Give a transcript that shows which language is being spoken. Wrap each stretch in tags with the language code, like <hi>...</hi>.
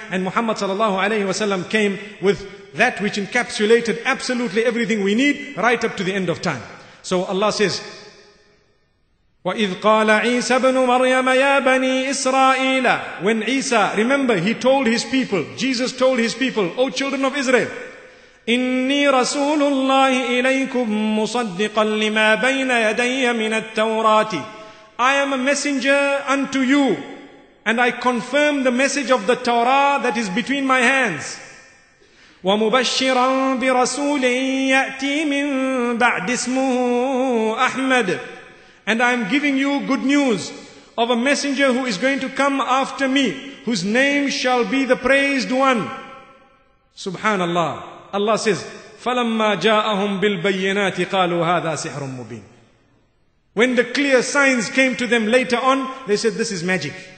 <en>And Muhammad sallallahu alayhi wa sallam came with that which encapsulated absolutely everything we need right up to the end of time. So Allah says,</en> <ar>وَإِذْ قَالَ عِيسَى بْنُ مَرْيَمَ يَا بَنِي إِسْرَائِيلَ.</ar> <en>When Isa, remember, he told his people, Jesus told his people, O children of Israel,</en> <ar>إني رسول الله إليكم مصدقا لما بين يدي من التوراة.</ar> <en>I am a messenger unto you, and I confirm the message of the Torah that is between my hands.</en> <ar>ومبشرا برسول يأتي من بعد اسمه أحمد.</ar> <en>And I am giving you good news of a messenger who is going to come after me, whose name shall be the praised one. Subhanallah. Allah says,</en> <ar>فَلَمَّا جَاءَهُمْ بِالْبَيِّنَاتِ قَالُوا هَذَا سِحْرٌ مُبِينٌ.</ar> <en>When the clear signs came to them later on, they said, this is magic.</en>